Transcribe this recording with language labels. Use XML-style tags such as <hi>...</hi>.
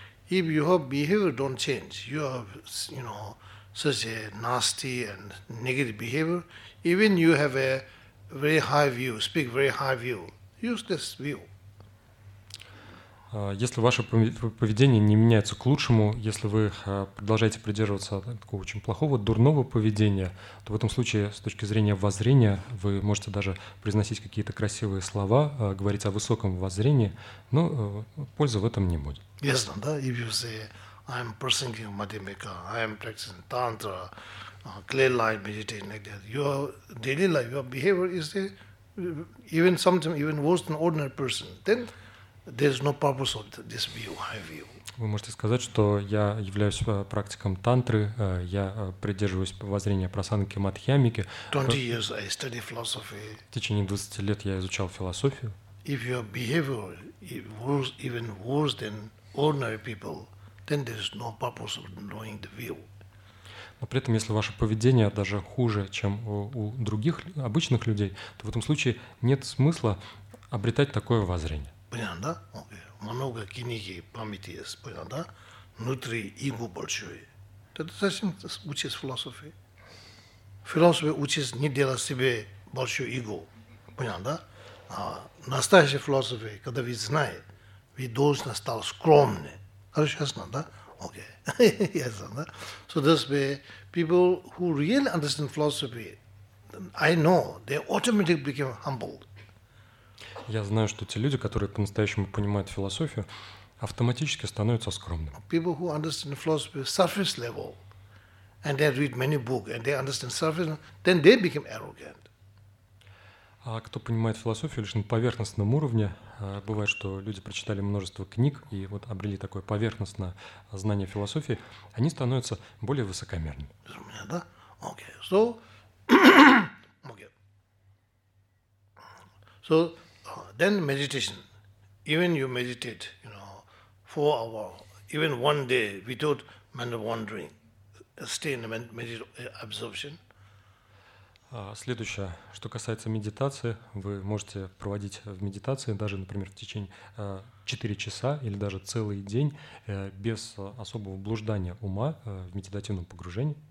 <en>If your behavior don't change, you have, you know, such a nasty and negative behavior, even you have a very high view, speak very high view, use this view.</en> <ru>Если ваше поведение не меняется к лучшему, если вы продолжаете придерживаться такого очень плохого, дурного поведения, то в этом случае, с точки зрения воззрения, вы можете даже произносить какие-то красивые слова, говорить о высоком воззрении, но пользы в этом не будет.</ru> <en>Yes, no,</en> <ru>да?</ru> <en>If you say, I'm practicing Madhyamika, I'm practicing Tantra, clear light meditation, like that, your daily life, your behavior is the, even sometimes even worse than ordinary person, then there's no purpose of this view, high view.</en> <ru>Вы можете сказать, что я являюсь практиком тантры, я придерживаюсь воззрения прасанки Мадхьямики.</ru> <en>20 years I study philosophy.</en> <ru>В течение 20 лет я изучал философию.</ru> <en>If your behavior was even worse than ordinary people, then there's no purpose of knowing the view.</en> <ru>Но при этом, если ваше поведение даже хуже, чем у других обычных людей, то в этом случае нет смысла обретать такое воззрение. Понятно, да?</ru> <en>Okay.</en> <ru>Много книги, памяти есть, понятно, да? Внутри его большой. Это совсем учится философии. Философия учится не делать себе большую его. Понятно, да? А настоящая философия, когда вы знаете, вы должны стать скромны. Хорошо, ясно, да? Окей.</ru> <en>Okay.</en> <ru>Ясно, да?</ru> <en>So this way, people who really understand philosophy, I know, they automatically become humble.</en> <ru>Я знаю, что те люди, которые по-настоящему понимают философию, автоматически становятся скромными.</ru> <en>People who understand philosophy surface level, and they read many books, and they understand surface, then they become arrogant.</en> <ru>А кто понимает философию лишь на поверхностном уровне, бывает, что люди прочитали множество книг и вот обрели такое поверхностное знание философии, они становятся более высокомерными. Да?</ru> <en>Okay. So, okay. So, then meditation. Even you meditate, you know, 4 hours, even one day without mind wandering, stay in the meditative absorption.</en> <ru>Следующее, что касается медитации, вы можете проводить в медитации даже, например, в течение 4 часа или даже целый день без особого блуждания ума в медитативном погружении.</ru>